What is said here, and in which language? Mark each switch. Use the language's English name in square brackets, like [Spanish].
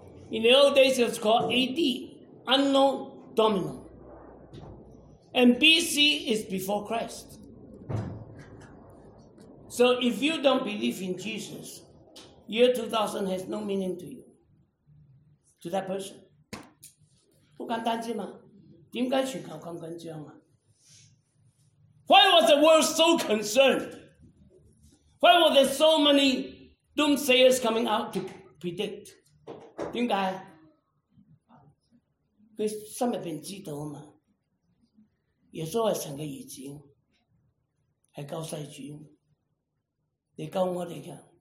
[English] In the old days, it was called AD, Unknown Domino. And BC is before Christ. So if you don't believe in Jesus, year 2000 has no meaning to you, to that person. [Cantonese] 不簡單之嘛，點解全球咁緊張啊？ [English] Why was the world so concerned? Why were there so many doomsayers coming out to predict? [Cantonese] 點解？佢心入邊知道嘛，耶穌係神嘅兒子，係救世主。 [English] They call what they can.